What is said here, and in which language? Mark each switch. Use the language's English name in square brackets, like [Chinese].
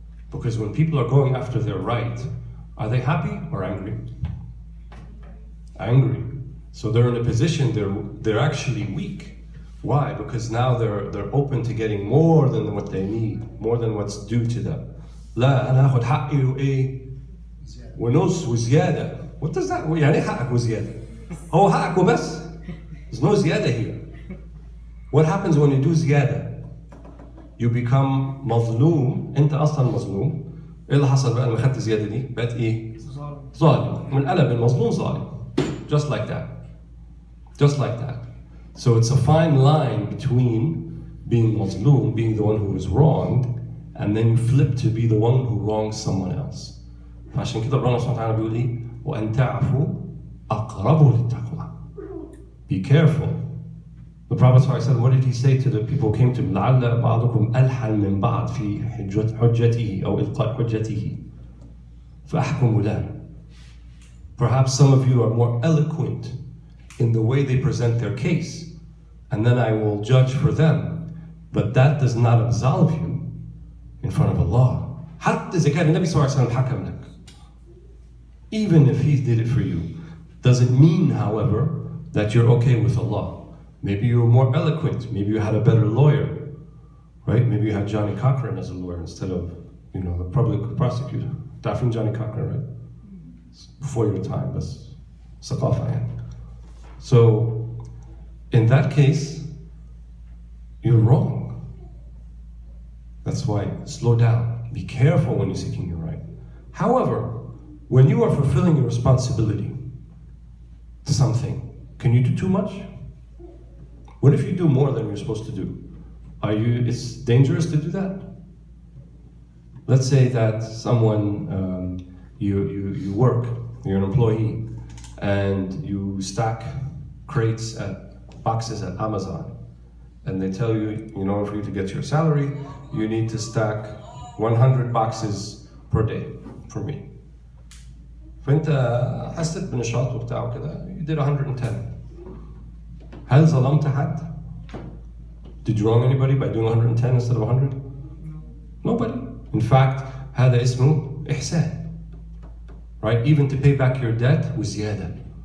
[English] Because when people are going after their right, are they happy or angry? Angry. So they're in a position, they're actually weak. Why? Because now they're open to getting more than what they need, more than what's due to them. [Arabic] لا أنا أخذ حقي ونص وزيادة. [English] What does that mean? [Arabic] يعني حقك وزيادة. هو حقك وبس. [English] There's no زيادة here. What happens when you do زيادة? You become مظلوم. [Arabic] أنت أصلا مظلوم. إيه اللي حصل بقى لما خدت زيادة دي؟ بقت إيه؟ ظالم. [English] من قلب المظلوم ظالم. Just like that. Just like that. So it's a fine line between being مظلوم, being the one who is wronged, and then you flip to be the one who wrongs someone else. [Arabic] فعشان كده ربنا سبحانه وتعالى بيقول إيه؟ وأن تعفو أقرب للتقوى. [English] Be careful. The Prophet said, what did he say to the people who came to him? [Arabic] لعل بعضكم ألحن من بعض في حجته أو إلقاء حجته فأحكم له. [English] Perhaps some of you are more eloquent in the way they present their case, and then I will judge for them. But that does not absolve you in front of Allah. [Arabic] حتى إذا كان النبي صلى الله عليه وسلم حكم لك. [English] Even if he did it for you, does it mean, however, that you're okay with Allah? Maybe you were more eloquent. Maybe you had a better lawyer, right? Maybe you had Johnny Cochran as a lawyer instead of, you know, the public prosecutor. Daphne Johnny Cochran, right? It's before your time, but Saqafah. So, in that case, you're wrong. That's why, slow down. Be careful when you're seeking your right. However, when you are fulfilling your responsibility to something, can you do too much? What if you do more than you're supposed to do? Is it dangerous to do that? Let's say that someone, you work, you're an employee, and you stack crates at boxes at Amazon, and they tell you, in order for you to get your salary, you need to stack 100 boxes per day for me. [Arabic] فأنت حسيت بنشاط وبتاع وكده, [English] you did 110. [Arabic] هل ظلمت حد? [English] Did you wrong anybody by doing 110 instead of 100? No. Nobody. In fact, [Arabic] هذا اسمه إحسان. [English] Right? Even to pay back your debt, وزيادة.